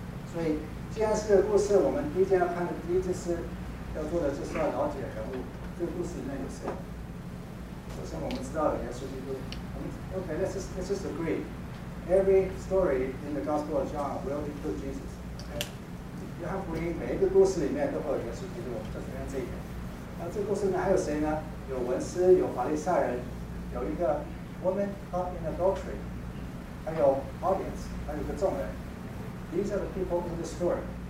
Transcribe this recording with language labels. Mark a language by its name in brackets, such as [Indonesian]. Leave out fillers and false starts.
[Chinese] 所以，既然是个故事，我们第一件要看的第一件事要做的就是要了解人物，这个故事里面有谁。首先，我们知道有耶稣基督。 [English] Okay, let's just agree. Every story in the Gospel of John will include Jesus. [Chinese] Okay, 约翰福音每一个故事里面都会有耶稣基督，我们就承认这一点。那这个故事里面还有谁呢？有文士，有法利赛人，有一个 [English] woman caught in adultery， [Chinese] 还有 audience， 还有一个众人。 [English] These are the people in the story.